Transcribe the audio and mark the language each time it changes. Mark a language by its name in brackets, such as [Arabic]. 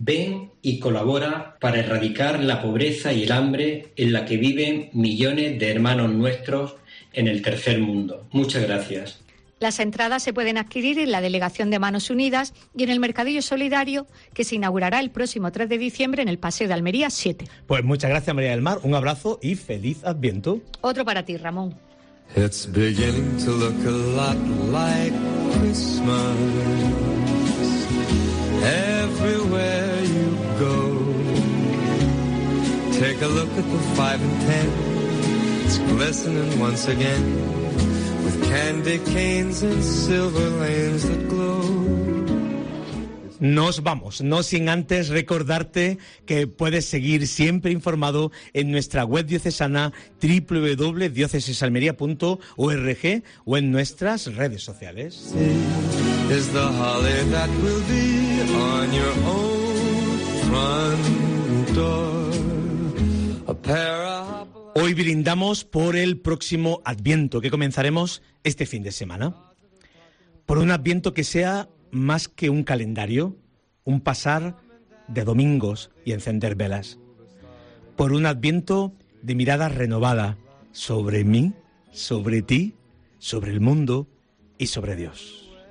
[Spanish] Ven y colabora para erradicar la pobreza y el hambre en la que viven millones de hermanos nuestros en el tercer mundo. Muchas gracias. Las entradas se pueden adquirir en la Delegación de Manos Unidas y en el Mercadillo Solidario, que se inaugurará el próximo 3 de diciembre en el Paseo de Almería 7. Pues muchas gracias, María del Mar. Un abrazo y feliz Adviento. Otro para ti, Ramón. [English] It's beginning to look a lot like Christmas. Everywhere you go, take a look at the 5 and 10. It's glistening once again, candy canes and silver lanes that glow. [Spanish] Nos vamos, no sin antes recordarte que puedes seguir siempre informado en nuestra web diocesana www.diocesesalmería.org o en nuestras redes sociales. [English] Is the holly that will be on your own front door. A pair of... [Spanish] Hoy brindamos por el próximo Adviento que comenzaremos este fin de semana. Por un Adviento que sea más que un calendario, un pasar de domingos y encender velas. Por un Adviento de mirada renovada sobre mí, sobre ti, sobre el mundo y sobre Dios.